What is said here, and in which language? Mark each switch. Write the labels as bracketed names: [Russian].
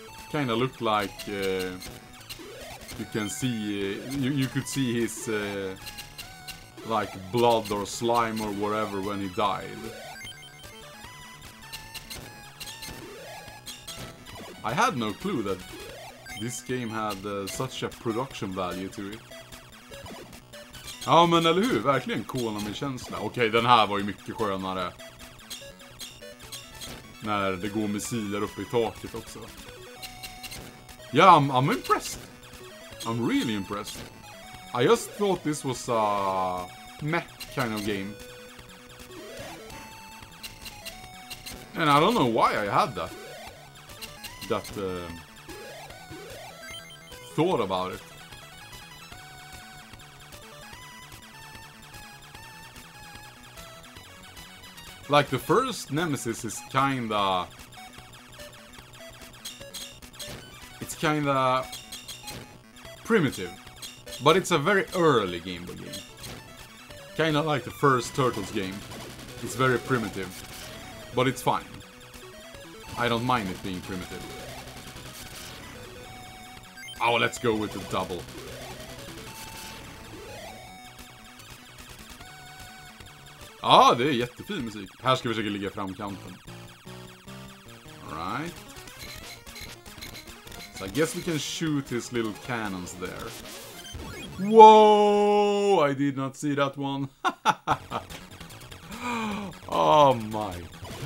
[English] Kinda looked like you could see his like blood or slime or whatever when he died. I had no clue that this game had such a production value to it. [Swedish] Ja, men eller hur? Verkligen Konami-känsla. Okej, den här var ju mycket skönare. när det går missiler upp i taket också. [English] Yeah, I'm impressed. I'm really impressed. I just thought this was a meh kind of game. And I don't know why I had that. Thought about it. Like, the first Nemesis is kinda... It's kinda... primitive. But it's a very early Game Boy game. Kinda like the first Turtles game. It's very primitive. But it's fine. I don't mind it being primitive. Oh, let's go with the double. [Swedish] Ja, ah, det är jättefin musik. Här ska vi försöka ligga framkanten. [English] Alright. So I guess we can shoot his little cannons there. Whoa! I did not see that one. Oh my god.